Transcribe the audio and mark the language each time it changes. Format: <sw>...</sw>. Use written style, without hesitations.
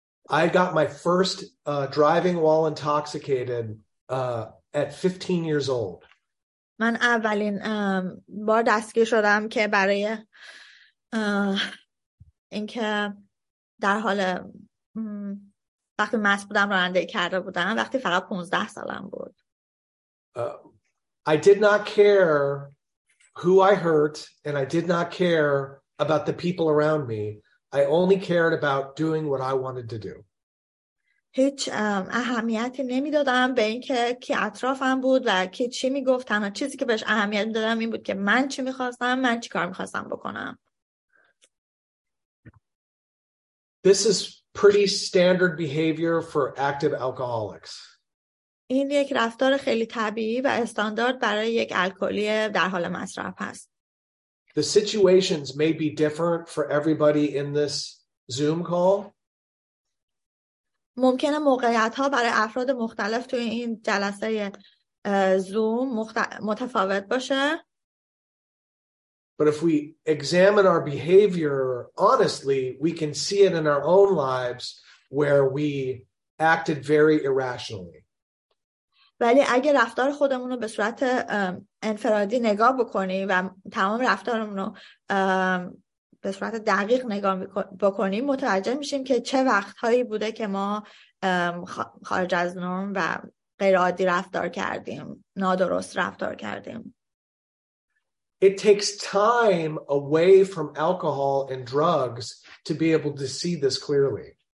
<en>I got my first driving while intoxicated at 15 years old.</en> <fa>من اولین بار دستگیر شدم که برای اینکه در حال وقتی مست بودم رانندگی کرده بودم وقتی فقط 15 سالم بود.</fa> <en>I did not care who I hurt and I did not care about the people around me. I only cared about doing what I wanted to do.</en> <fa>هیچ اهمیتی نمیدادم به اینکه کی اطرافم بود و کی چی میگفت. تنها چیزی که بهش اهمیت میدادم این بود که من چی میخواستم، من چی کار میخواستم بکنم.</fa> <en>This is pretty standard behavior for active alcoholics.</en> <fa>این یک رفتار خیلی طبیعی و استاندارد برای یک الکلی در حال مصرف است.</fa> <en>The situations may be different for everybody in this Zoom call.</en> <fa>ممکنه موقعیت‌ها برای افراد مختلف توی این جلسه زوم متفاوت باشه.</fa> <en>But if we examine our behavior honestly, we can see it in our own lives where we acted very irrationally.</en> <fa>ولی اگه رفتار خودمون رو به صورت انفرادی نگاه بکنی و تمام رفتارمون رو به صورت دقیق نگاه بکنیم متوجه میشیم که چه وقتهایی بوده که ما خارج از نرم و غیر عادی رفتار کردیم، نادرست رفتار کردیم.</fa> <en>It takes time away from alcohol and drugs to be able to see this clearly.</en>